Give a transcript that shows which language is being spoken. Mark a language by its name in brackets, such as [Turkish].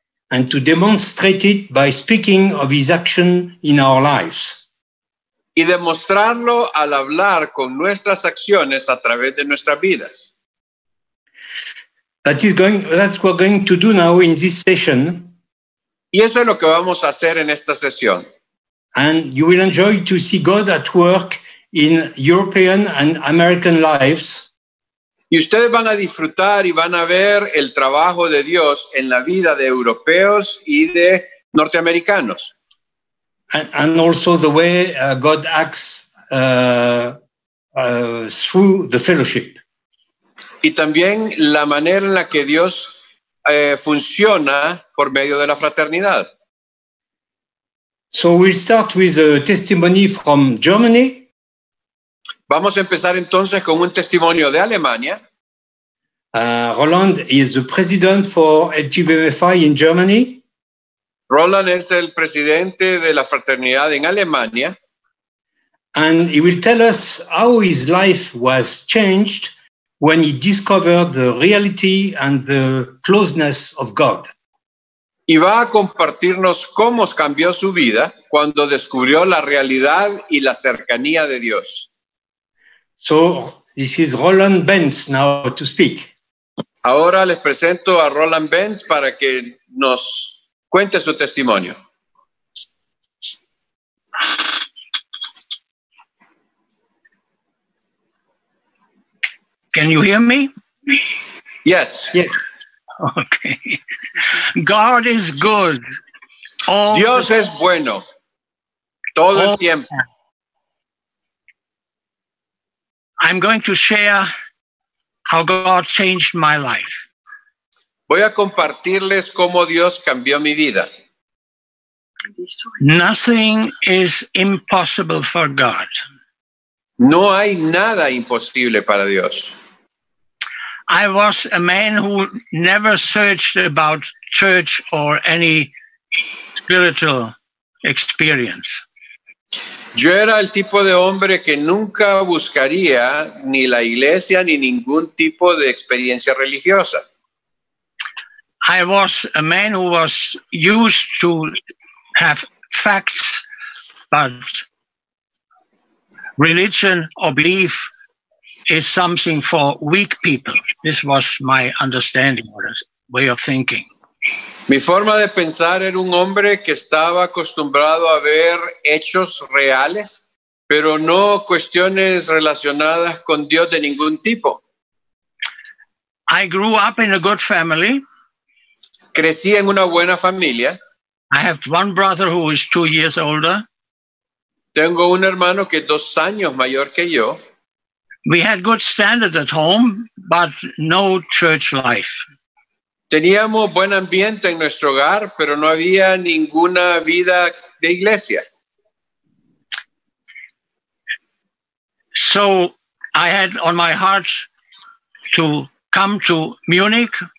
[English] And to demonstrate it by speaking of his action in our lives. [Spanish] Y demostrarlo al hablar con nuestras acciones a través de nuestras vidas. [English] That is going, that's what we're going to do now in this session. [Spanish] Y eso es lo que vamos a hacer en esta sesión. [English] And you will enjoy to see God at work in European and American lives. [Spanish] Y ustedes van a disfrutar y van a ver el trabajo de Dios en la vida de europeos y de norteamericanos. [English] And also the way God acts through the fellowship. [Spanish] Y también la manera en la que Dios funciona por medio de la fraternidad. [English] So we'll start with a testimony from Germany. [Spanish] Vamos a empezar entonces con un testimonio de Alemania. [English] Roland is the president for LGBFI in Germany. [Spanish] Roland es el presidente de la fraternidad en Alemania. [English] And he will tell us how his life was changed when he discovered the reality and the closeness of God. [Spanish] Y va a compartirnos cómo cambió su vida cuando descubrió la realidad y la cercanía de Dios. [English] So, this is Roland Benz now to speak. [Spanish] Ahora les presento a Roland Benz para que nos cuente su testimonio. [English] Can you hear me? Yes. Yes. Okay. God is good. [Spanish] Dios es bueno. Todo el tiempo. [English] I'm going to share how God changed my life. [Spanish] Voy a compartirles cómo Dios cambió mi vida. [English] Nothing is impossible for God. [Spanish] No hay nada imposible para Dios. [English] I was a man who never searched about church or any spiritual experience. [Spanish] Yo era el tipo de hombre que nunca buscaría ni la iglesia ni ningún tipo de experiencia religiosa. [English] I was a man who was used to have facts, but religion or belief is something for weak people. This was my understanding or way of thinking. [Spanish] Mi forma de pensar era un hombre que estaba acostumbrado a ver hechos reales, pero no cuestiones relacionadas con Dios de ningún tipo. [English] I grew up in a good family. [Spanish] Crecí en una buena familia. [English] I have one brother who is 2 years older. [Spanish] Tengo un hermano que es 2 años mayor que yo. [English] We had good standards at home, but no church life. [Spanish] Teníamos buen ambiente en nuestro hogar, pero no había ninguna vida de iglesia. [English] So I had on my heart to come to Munich.